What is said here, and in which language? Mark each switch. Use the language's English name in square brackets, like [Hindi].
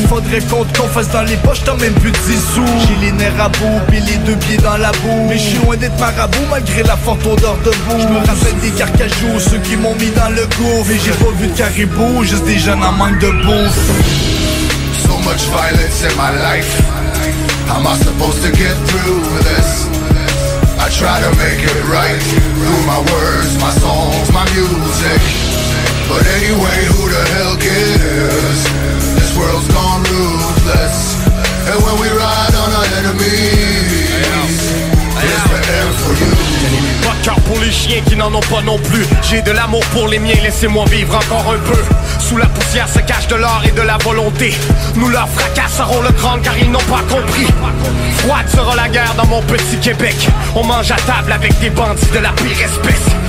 [French] Faudrait compte qu'on fasse dans les poches, t'as même plus de 10 sous. J'ai les nerfs à bout, pis les deux pieds dans la boue. Mais j'suis loin d'être marabout, malgré la forte odeur de boue. J'me rappelle des carcajous, ceux qui m'ont mis dans le gouffre. Mais j'ai pas vu de caribou, juste des jeunes en manque de bouffe. [English] So much violence in my life. How am I supposed to get through this? I try to make it right through my words, my songs, my music. But anyway, who the hell cares? This world's gone ruthless. And when we ride on our enemies, it's the air for you. [French] Pas de cœur pour les chiens qui n'en ont pas non plus. J'ai de l'amour pour les miens, laissez-moi vivre encore un peu. Sous la poussière se cache de l'or et de la volonté. Nous leur fracasserons le crâne car ils n'ont pas compris. Froide sera la guerre dans mon petit Québec. On mange à table avec des bandits de la pire espèce.